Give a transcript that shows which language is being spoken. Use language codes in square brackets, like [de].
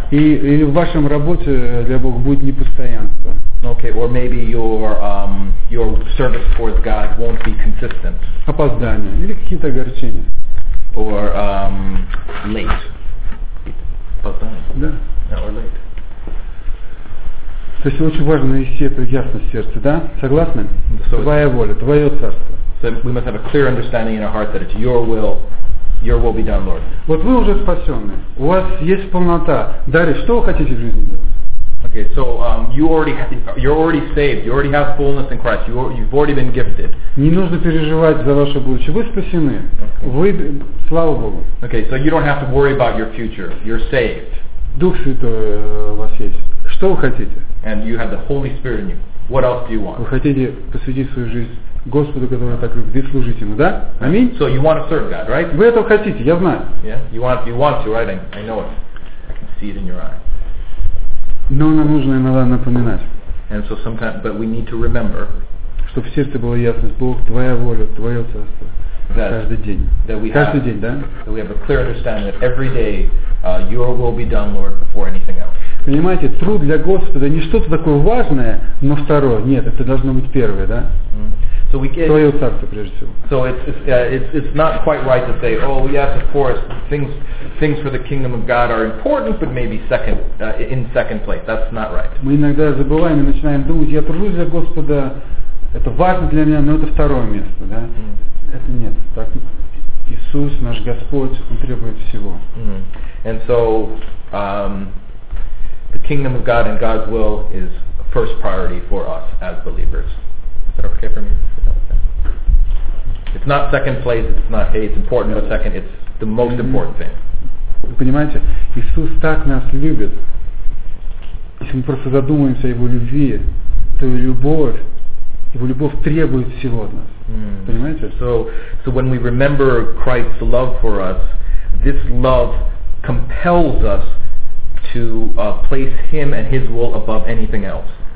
[ru] И в вашем работе для Бога будет непостоянство. [en] Okay, or maybe your service towards God won't be consistent. [ru] Опоздание или какие-то огорчения. [en] Or late. [ru] Опоздание. Да. [en] Yeah, or late. [ru] То есть очень важно навести эту ясность в сердце, да? Согласны? [en] So [ru] твоя воля, твое царство. [en] So we must have a clear understanding in our heart that it's your will, Your will be done, Lord. [ru] Вот вы уже спасенные. У вас есть полнота. Далее, что вы хотите в жизни делать? [en] Okay, so you're already saved. You already have fullness in Christ. You've already been gifted. [ru] Не нужно переживать за ваше будущее. Вы спасены. Вы, слава Богу. [en] Okay, so you don't have to worry about your future. You're saved. [ru] Дух Святой у вас есть. Что вы хотите? [en] And you have the Holy Spirit in you. What else do you want? [ru] Вы хотите посвятить свою жизнь Господу, который так любит, и служить ему, да? Аминь. [en] So you want to serve God, right? [ru] Вы этого хотите, я знаю. [en] Yeah, you want to, right? I know it. I can see it in your eye. [ru] Но нам нужно иногда напоминать, [en] and so sometimes, but we need to remember, [ru] чтобы в сердце была ясность: Бог, Твоя воля, Твое царство. Каждый день. Каждый день, да? [en] That we have a clear understanding that every day, Your will be done, Lord, before anything else. [ru] Понимаете, труд для Господа не что-то такое важное, но второе. Нет, это должно быть первое, да? [en] So we get, [ru] Твое царство прежде всего. [en] So it's not quite right to say, oh yes, of course, things for the kingdom of God are important, but maybe in second place. That's not right. [ru] Мы иногда забываем и начинаем думать, я тружусь для Господа, это важно для меня, но это второе место, да? Это нет. Так Иисус, наш Господь, Он требует всего. [en] And so the kingdom of God and God's will is first priority for us as believers. Is that okay for me? It's not second place, it's not, hey, it's important, but second, it's the most important thing. [ru] Вы понимаете, Иисус так нас любит. Если мы просто задумаемся о Его любви, то Его любовь требует всего от нас. Понимаете? [en] So when we remember Christ's love for us, this love compels us to place Him and His will above anything else.